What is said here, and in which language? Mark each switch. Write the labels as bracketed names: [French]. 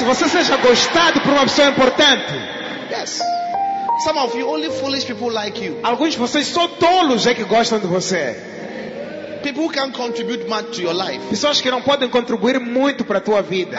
[Portuguese] Se você seja gostado por uma pessoa importante. [English] Yes. Some of you only foolish people like you. [Portuguese] Alguns de vocês são tolos é que gostam de você. [English] People who can't contribute much to your life. [Portuguese] Pessoas que não podem contribuir muito para a tua vida.